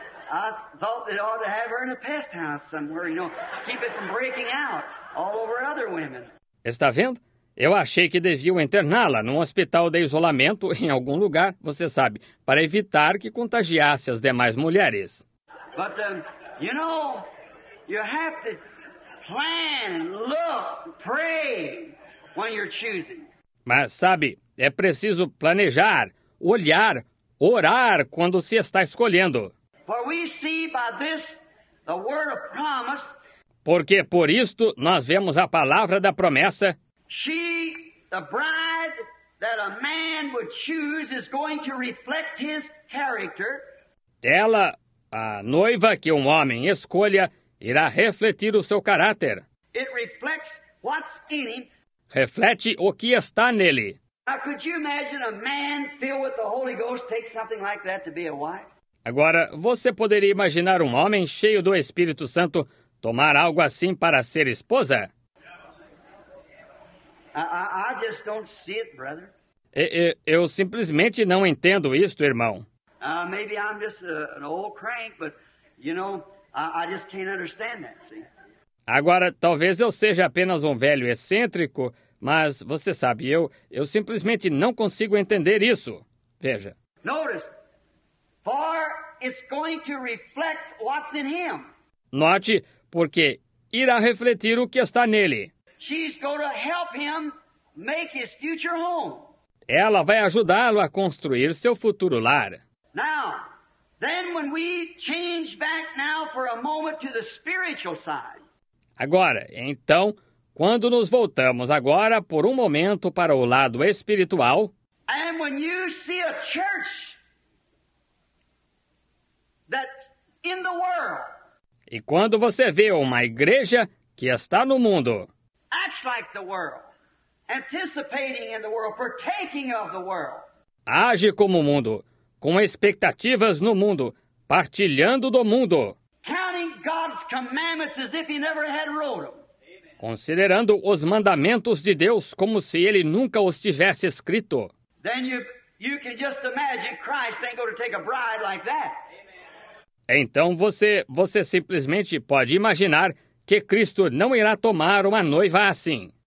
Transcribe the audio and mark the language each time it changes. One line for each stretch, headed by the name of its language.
English: I thought they ought to have her in a pest house somewhere, you know, keep it from breaking out all over other women.
Portuguese: Está vendo? Eu achei que deviam interná-la num hospital de isolamento em algum lugar, você sabe, para evitar que contagiasse as demais mulheres.
English: But you know, you have to plan, look, pray when you're choosing.
Portuguese: Mas sabe, é preciso planejar, olhar, orar quando se está escolhendo.
English: For we see by this the word of promise.
Portuguese: Porque por isto nós vemos a palavra da promessa.
English: She, the bride that a man would choose, is going to reflect his character.
Portuguese: Ela, a noiva que um homem escolha, irá refletir o seu caráter.
English: It reflects what's in him.
Portuguese: Reflete o que está nele.
English: Now, could you imagine a man filled with the Holy Ghost take something like that to be a wife?
Portuguese: Agora, você poderia imaginar um homem cheio do Espírito Santo tomar algo assim para ser esposa?
English: I just don't see it, brother.
Portuguese: Eu simplesmente não entendo isto, irmão.
English: Maybe I'm just an old crank, but, you know, I just can't understand that, see?
Portuguese: Agora, talvez eu seja apenas um velho excêntrico, mas, você sabe, eu simplesmente não consigo entender isso. Veja.
English: Notice, for it's going to reflect what's in him.
Portuguese: Note, porque irá refletir o que está nele.
English: She's going to help him make his future home.
Portuguese: Ela vai ajudá-lo a construir seu futuro lar.
English: Now, then when we change back now for a moment to the spiritual side.
Portuguese: Agora, então, quando nos voltamos agora por um momento para o lado espiritual.
English: And when you see a church that's in the world.
Portuguese: E quando você vê uma igreja que está no mundo.
English: Acts like the world, anticipating in the world, partaking of the world.
Portuguese: Age como o mundo, com expectativas no mundo, partilhando do mundo.
English: Counting God's commandments as if he never had wrote them.
Portuguese: Considerando os mandamentos de Deus como se ele nunca os tivesse escrito.
English: Then you can just imagine Christ ain't going to take a bride like that.
Portuguese: Então você simplesmente pode imaginar que Cristo não irá tomar uma noiva assim.